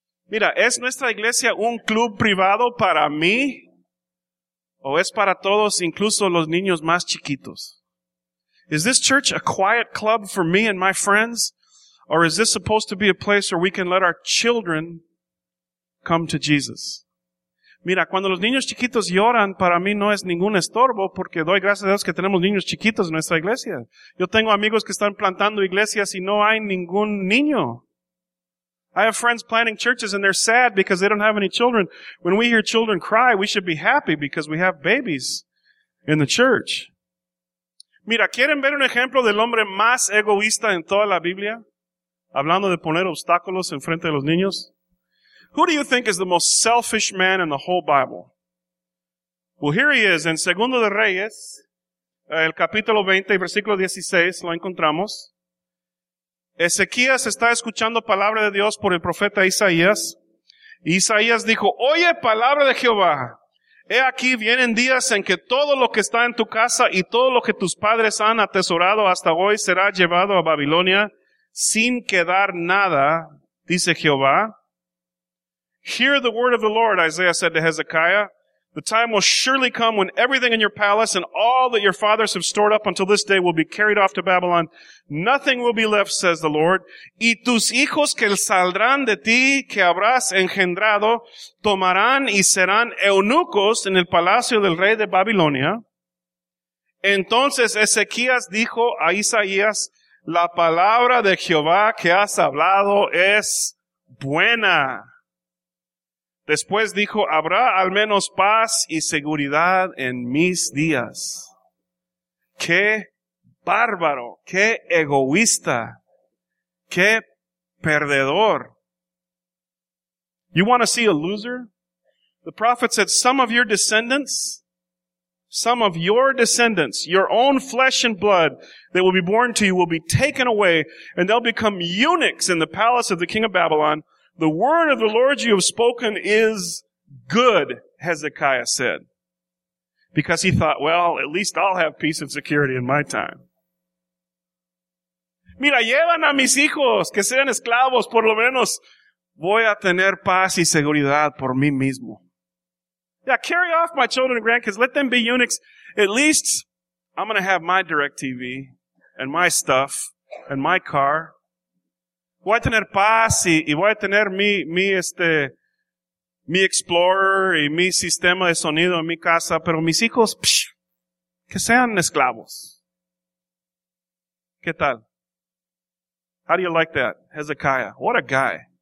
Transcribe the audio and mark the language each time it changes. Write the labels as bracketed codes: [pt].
[es] Mira, ¿es nuestra iglesia un club privado para mí? ¿O es para todos, incluso los niños más chiquitos? [en] ¿Is this church a quiet club for me and my friends? ¿Or is this supposed to be a place where we can let our children come to Jesus? [es] Mira, cuando los niños chiquitos lloran, para mí no es ningún estorbo, porque doy gracias a Dios que tenemos niños chiquitos en nuestra iglesia. Yo tengo amigos que están plantando iglesias y no hay ningún niño. [en] I have friends planting churches and they're sad because they don't have any children. When we hear children cry, we should be happy because we have babies in the church. [es] Mira, ¿quieren ver un ejemplo del hombre más egoísta en toda la Biblia? Hablando de poner obstáculos en frente de los niños. [en] Who do you think is the most selfish man in the whole Bible? Well, here he is in [es] Segundo de Reyes, el capítulo 20, versículo 16, lo encontramos. Ezequías está escuchando palabra de Dios por el profeta Isaías. Y Isaías dijo, oye palabra de Jehová, he aquí vienen días en que todo lo que está en tu casa y todo lo que tus padres han atesorado hasta hoy será llevado a Babilonia sin quedar nada, dice Jehová. [en] Hear the word of the Lord, Isaiah said to Hezekiah. The time will surely come when everything in your palace and all that your fathers have stored up until this day will be carried off to Babylon. Nothing will be left, says the Lord. [es] Y tus hijos que saldrán de ti, que habrás engendrado, tomarán y serán eunucos en el palacio del rey de Babilonia. Entonces Ezequías dijo a Isaías, la palabra de Jehová que has hablado es buena. Después dijo, habrá al menos paz y seguridad en mis días. ¡Qué bárbaro! ¡Qué egoísta! ¡Qué perdedor! [en] You want to see a loser? The prophet said, some of your descendants, your own flesh and blood that will be born to you will be taken away and they'll become eunuchs in the palace of the king of Babylon. The word of the Lord you have spoken is good, Hezekiah said. Because he thought, well, at least I'll have peace and security in my time. [es] Mira, llevan a mis hijos que sean esclavos, por lo menos voy a tener paz y seguridad por mí mismo. [en] Yeah, carry off my children and grandkids, let them be eunuchs. At least I'm going to have my DirecTV and my stuff and my car. [es] Voy a tener paz y voy a tener mi Explorer y mi sistema de sonido en mi casa, pero mis hijos, que sean esclavos. ¿Qué tal? [en] How do you like that? Hezekiah, what a guy.